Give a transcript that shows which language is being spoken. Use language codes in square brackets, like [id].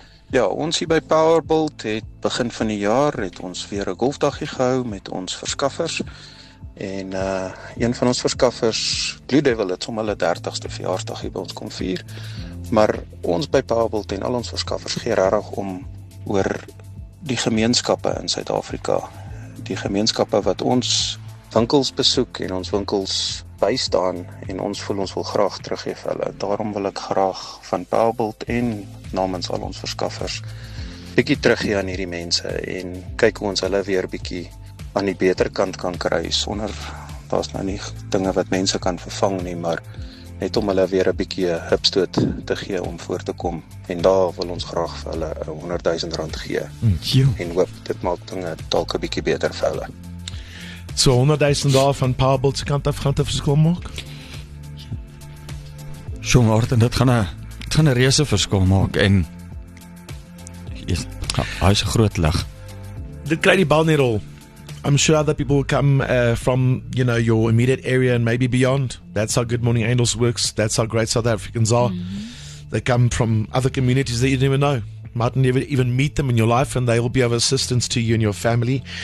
[af] Ja, ons hier by Powerbuild het begin van die jaar het ons weer 'n golfdagie gehou met ons verskaffers. En een van ons verskaffers, Blue Devil, het om hulle 30ste verjaarsdag hier by ons kom vier. Maar ons by Powerbuild en al ons verskaffers gee regtig om oor die gemeenskappe in Suid-Afrika. Die gemeenskappe wat ons winkels besoek en ons winkels bystaan, en ons voel ons wil graag teruggee vir hulle. Daarom wil ek graag van Powerbuild en namens al ons verskaffers bietjie teruggee aan hierdie mense en kyk hoe ons hulle weer bietjie aan die beter kant kan kry, sonder daar's nou nie dinge wat mense kan vervang nie, maar net om hulle weer 'n bietjie hupstoot te gee om voor te kom. En daar wil ons graag vir hulle R100,000 gee en hoop dit maak dinge dalk 'n bietjie beter vir hulle. So R100,000 van Powerbuild se kant af gaan te verskil maak? Sjoe, Martin, dit gaan een reuse verskil maak, en hy is een groot lig. Dit kry die bal net rol. [en] I'm sure other people will come from, you know, your immediate area and maybe beyond. That's how Good Morning Angels works. That's how great South Africans are. They come from other communities that you didn't even know. Might never even meet them in your life, and they will be of assistance to you and your family.